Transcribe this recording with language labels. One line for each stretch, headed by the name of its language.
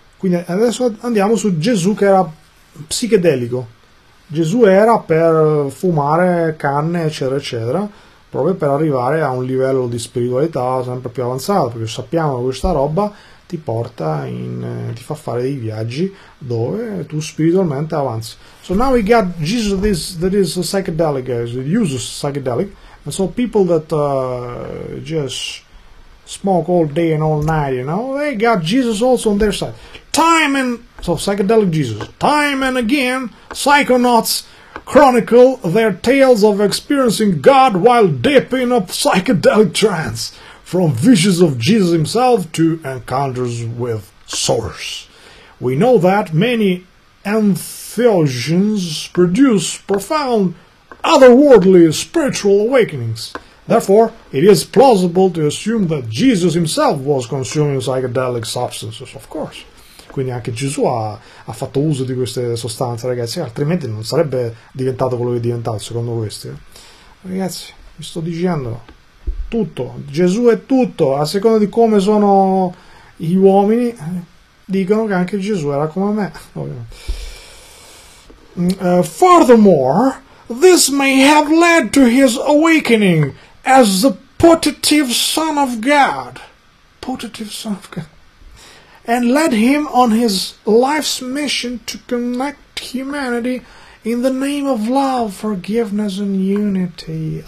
Italian: Quindi adesso andiamo su Gesù che era psichedelico. Gesù era per fumare carne, eccetera, eccetera, proprio per arrivare a un livello di spiritualità sempre più avanzato, perché sappiamo che questa roba ti fa fare dei viaggi dove tu spiritualmente avanzi.
English: So now we got Jesus that is psychedelic, guys. He uses psychedelic. And so people that just smoke all day and all night, you know, they got Jesus also on their side. So psychedelic Jesus. Time and again, psychonauts chronicle their tales of experiencing God while deep in a psychedelic trance. From visions of Jesus himself to encounters with source. We know that many entheogens produce profound, otherworldly spiritual awakenings. Therefore, it is plausible to assume that Jesus himself was consuming psychedelic substances, of course.
Italian: Quindi anche Gesù ha fatto uso di queste sostanze, ragazzi, altrimenti non sarebbe diventato quello che è diventato, secondo questi. Ragazzi, vi sto dicendo. Tutto, Gesù è tutto, a seconda di come sono gli uomini, dicono che anche Gesù era come me.
English: Furthermore, this may have led to his awakening as the putative son of God, putative son of God, and led him on his life's mission to connect humanity in the name of love, forgiveness, and unity.